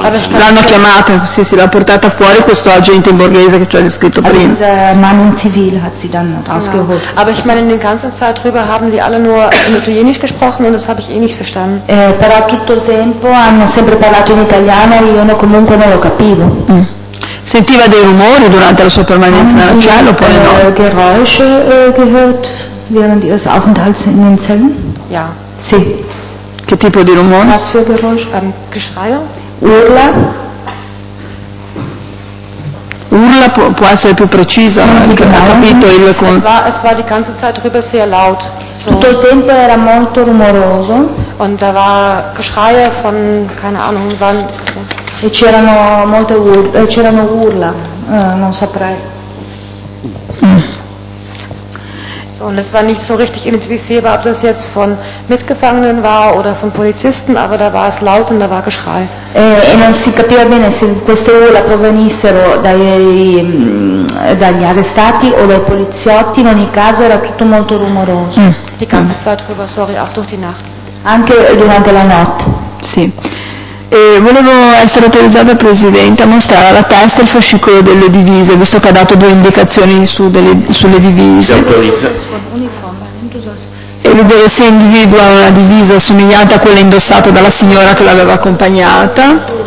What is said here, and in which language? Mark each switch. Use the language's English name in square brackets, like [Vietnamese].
[Italian] l'hanno chiamata, sì, sì, l'ha portata fuori questo agente in borghese che ci ha descritto prima. [German] Mann in civile hat sie dann rausgeholt. Aber ich meine, in den ganzen Zeit drüber haben die alle nur in Italienisch gesprochen und das habe ich eh nicht verstanden. [Italian] Però tutto il tempo hanno sempre parlato in italiano e io comunque non lo capivo. Sentiva dei rumori durante la sua permanenza nella cella oppure no? [German] Geräusche gehört während ihres Aufenthalts in den Zellen? Ja. [Italian] Sì. Che tipo di rumore? [German] Was für Geräusch? Geschreie? [Italian] Urla? Urla può essere più precisa, ho capito il [German] es war die ganze Zeit drüber sehr laut. So. [Italian] Tutto il tempo era molto rumoroso. [German] Und da war Geschreie von, keine Ahnung, wann. So. [Italian] E c'erano molte urla, c'erano urla, non saprei. [German] So, und es war nicht so richtig identifizierbar, ob das jetzt von Mitgefangenen war oder von Polizisten, aber da war es laut und da war Geschrei. [Italian] E non si capiva bene se queste urla provenissero dagli arrestati o dai poliziotti, in ogni caso era tutto molto rumoroso. [German] Die ganze Zeit drüber, sorry, auch durch die Nacht. [Italian] Anche durante la notte. Sì. E volevo essere autorizzata, Presidente, a mostrare la testa e il fascicolo delle divise, visto che ha dato due indicazioni sulle divise. E vedere se individua una divisa somigliante a quella indossata dalla signora che l'aveva accompagnata.